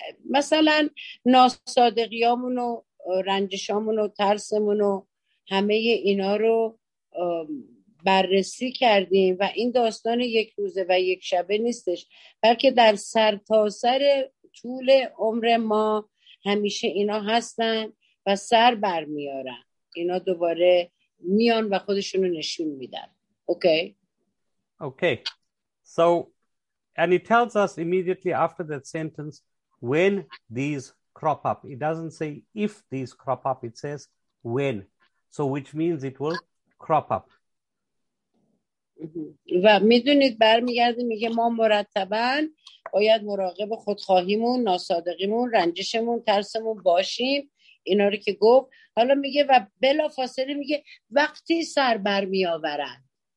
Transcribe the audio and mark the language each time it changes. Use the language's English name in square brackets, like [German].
[Persian] مثلا ناصادقیامونو رنجشامونو ترسمونو همه اینا رو بررسی کردیم و این داستان یک روزه و یک شبه نیستش، بلکه در سر تا سر طول عمر ما همیشه اینا هستن و سر بر میارن، اینا دوباره میان و خودشونو نشون میدن. [English] Okay. So, and it tells us immediately after that sentence when these crop up. It doesn't say if these crop up, it says when. So, which means it will crop up. [Persian] و میدونید برمیگرده میگه ما مرتباً باید مراقب خودخواهیمون، ناصادقیمون، رنجشمون، ترسمون باشیم. اینا رو که گفت، حالا میگه و بلا فاصله میگه وقتی سر بر میآورند.